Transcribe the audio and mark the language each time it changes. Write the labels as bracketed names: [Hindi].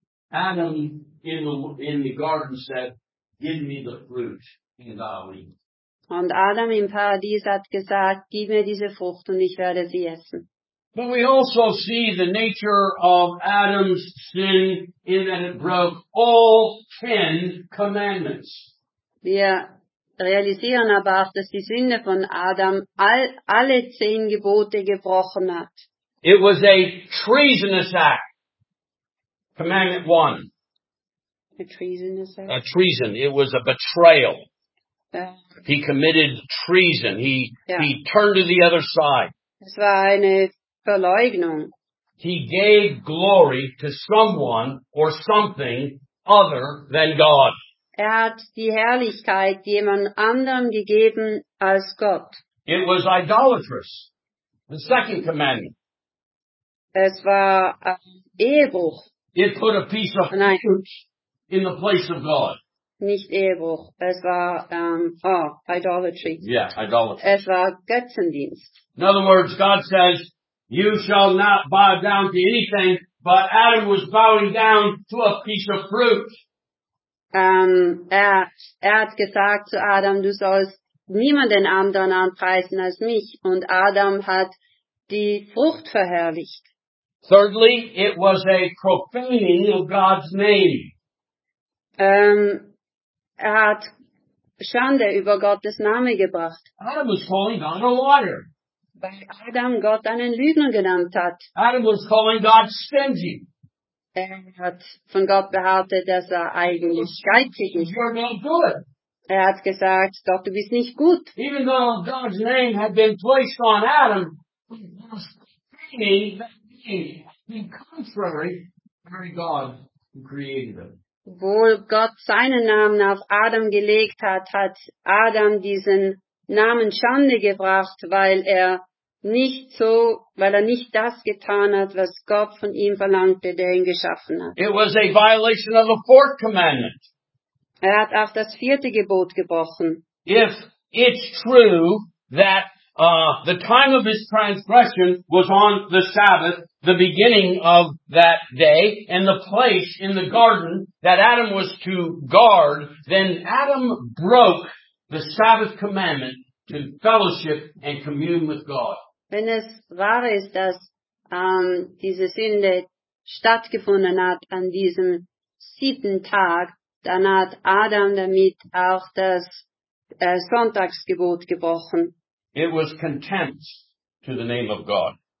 [English] Adam in the garden said, give me the fruit and I'll eat. [German] Und Adam im Paradies hat gesagt, gib mir diese Frucht und ich werde sie essen. [English] But we also see the nature of Adam's sin in that it broke all 10 commandments. [German] Wir realisieren aber auch, dass die Sünde von Adam alle 10 Gebote gebrochen hat. [English] It was a treasonous act. Commandment 1. A treasonous act. A treason. It was a betrayal. He committed treason. He turned to the other side. [German] Es war eine Verleugnung. [English] He gave glory to someone or something other than God. [German] Er hat die Herrlichkeit jemand anderem gegeben als Gott. [English] It was idolatrous. The second commandment. [German] Es war Ehebruch. [English] It put a piece of fruit in the place of God. [German] Nicht Ehebruch. Es war idolatry. [English] Yeah, idolatry. [German] Es war Götzendienst. [English] In other words, God says, you shall not bow down to anything, but Adam was bowing down to a piece of fruit. [German] Er hat gesagt zu Adam, du sollst niemanden anderen anpreisen als mich. Und Adam hat die Frucht verherrlicht. [English] Thirdly, it was a profaning of God's name. [German] Er hat Schande über Gottes Name gebracht. [English] Adam was calling God a liar. [German] Weil Adam Gott einen Lügner genannt hat. [English] Adam was calling God stingy. [German] Er hat von Gott behauptet, dass er eigentlich geizig ist. [English] You're not good. [German] Er hat gesagt, Gott, du bist nicht gut. [English] Even though God's name had been placed on Adam, he was profaning that name, contrary to the very God who created him. [German] Obwohl Gott seinen Namen auf Adam gelegt hat, hat Adam diesen Namen Schande gebracht, weil er nicht das getan hat, was Gott von ihm verlangte, der ihn geschaffen hat. [English] It was a violation of the fourth commandment. [German] Er hat auch das vierte Gebot gebrochen. [English] If it's true that the time of his transgression was on the Sabbath, the beginning of that day, and the place in the garden that Adam was to guard, then Adam broke the Sabbath commandment to fellowship and commune with God. [German] Wenn es wahr ist, dass diese Sünde stattgefunden hat an diesem siebten Tag, dann hat Adam damit auch das Sonntagsgebot gebrochen. [English] It was contempt to the name of God.